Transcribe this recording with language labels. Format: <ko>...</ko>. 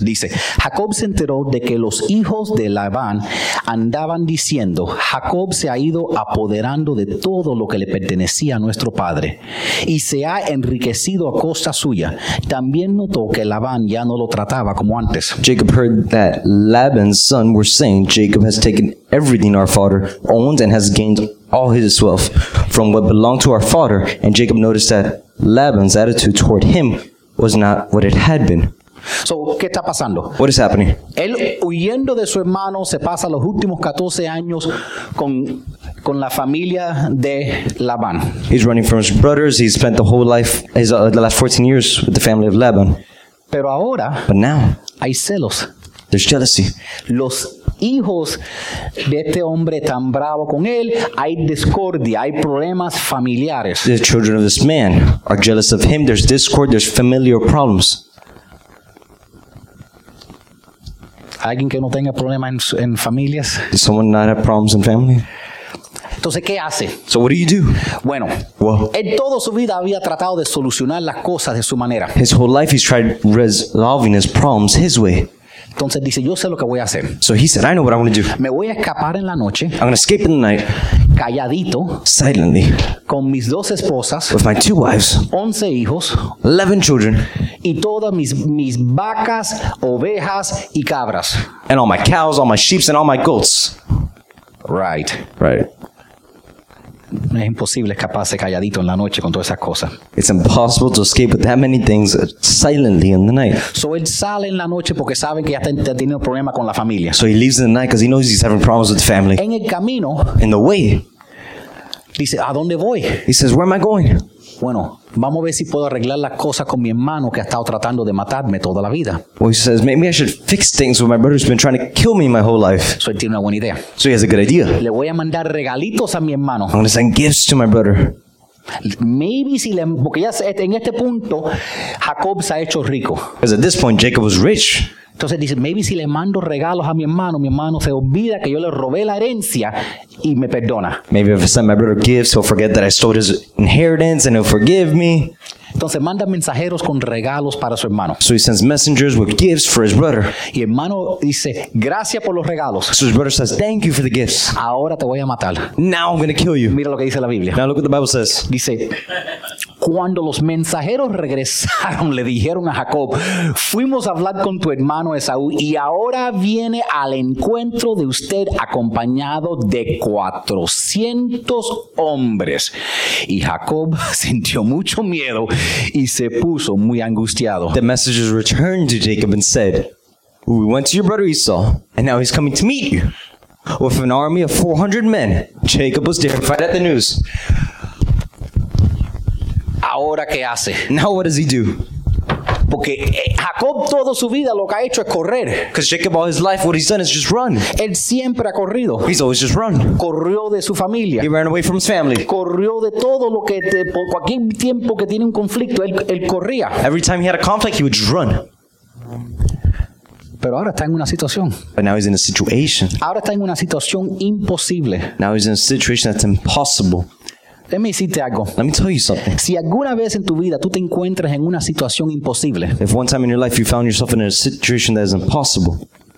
<es>Dice, Jacob se enteró de que los hijos de Labán andaban diciendo, Jacob se ha ido apoderando de todo lo que le pertenecía a nuestro padre y se ha enriquecido a costa suya. También notó que Labán ya no lo trataba como antes.</es> <en>Jacob heard that Laban's son were saying, Jacob has taken everything our father owns and has gained all his wealth from what belonged to our father. And Jacob noticed that Laban's attitude toward him was not what it had been.</en> <es>So, ¿qué está pasando?</es> <en>What is happening?</en> <es>Él huyendo de su hermano se pasa los últimos 14 años con la familia de Labán.</es> <en>He's running from his brothers. He spent the whole life, the last 14 years with the family of Laban.</en> <es>Pero ahora,</es> <en>but now,</en> <es>hay celos.</es> <en>There's jealousy.</en> <es>Los hijos de este hombre tan bravo con él, hay discordia, hay problemas familiares.</es> <en>The children of this man are jealous of him. There's discord, there's familial problems.</en> <es>¿Alguien que no tenga problemas en familias?</es> <en>Does someone not have problems in family?</en> <es>Entonces, ¿qué hace?</es> <en>So what do you do?</en> <es>Bueno,</es> <en>well,</en> <es>en toda su vida había tratado de solucionar las cosas de su manera.</es> <en>His whole life he's tried resolving his problems his way.</en> <es>Entonces dice, yo sé lo que voy a hacer.</es> <en>So he said, I know what I'm going to do.</en> <es>Me voy a escapar en la noche.</es> <en>I'm going to escape in the night.</en> <es>Calladito.</es> <en>Silently.</en> <es>Con mis dos esposas.</es> <en>With my two wives.</en> <es>11 hijos.</es> <en>11 children.</en> <es>Y todas mis vacas, ovejas y cabras.</es> <en>And all my cows, all my sheep, and all my goats. Right. Right.</en> <es>Es imposible escaparse calladito en la noche con todas esas cosas.</es> <en>It's impossible to escape with that many things silently in the night.</en> <es>So él sale en la noche porque sabe que ya está teniendo problemas con la familia.</es> <en>So he leaves in the night because he knows he's having problems with the family.</en> <es>En el camino,</es> <en>in the way,</en> <es>dice, ¿a dónde voy?</es> <en>He says, where am I going?</en> <es>Bueno, vamos a ver si puedo arreglar las cosas con mi hermano que ha estado tratando de matarme toda la vida.</es> <en>Well, he says, maybe I should fix things with my brother who's been trying to kill me my whole life.</en> <es>So él tiene una buena idea.</es> <en>So he has a good idea.</en> <es>Le voy a mandar regalitos a mi hermano.</es> <en>I'm going to send gifts to my brother.</en> <es>Maybe si le, porque ya en este punto, Jacob se ha hecho rico.</es> <en>Because at this point, Jacob was rich.</en> <es>Entonces dice, maybe si le mando regalos a mi hermano se olvida que yo le robé la herencia y me perdona.</es> <en>Maybe if I send my brother gifts, he'll forget that I stole his inheritance and he'll forgive me.</en> <es>Entonces manda mensajeros con regalos para su hermano.</es> <en>So he sends messengers with gifts for his brother.</en> <es>Y hermano dice, gracias por los regalos.</es> <en>So his brother says, thank you for the gifts.</en> <es>Ahora te voy a matar.</es> <en>Now I'm going to kill you.</en> <es>Mira lo que dice la Biblia.</es> <en>Now look what the Bible says.</en> <es>Dice, cuando los mensajeros regresaron, le dijeron a Jacob, fuimos a hablar con tu hermano Esaú y ahora viene al encuentro de usted acompañado de 400 hombres. Y Jacob sintió mucho miedo y se puso muy angustiado.</es> <en>The messengers returned to Jacob and said, we went to your brother Esau, and now he's coming to meet you. With an army of 400 men, Jacob was terrified at the news.</en> <es>¿Ahora qué hace?</es> <en>Now what does he do?</en> <es>Porque Jacob toda su vida lo que ha hecho es correr.</es> <en>Because Jacob all his life what he's done is just run.</en> <es>Él siempre ha corrido.</es> <en>He's always just run.</en> <es>Corrió de su familia.</es> <en>He ran away from his family.</en> <es>Corrió de todo lo que por cualquier tiempo que tiene un conflicto él corría.</es> <en>Every time he had a conflict he would just run.</en> <es>Pero ahora está en una situación.</es> <en>But now he's in a situation.</en> <es>Ahora está en una situación imposible.</es> <en>Now he's in a situation that's impossible. Let me</en> <es>decirte algo.</es> <en>Let me tell you something.</en> <es>Si alguna vez en tu vida tú te encuentras en una situación imposible,</es> <en>if one time in your life you found yourself in a situation that is impossible,</en>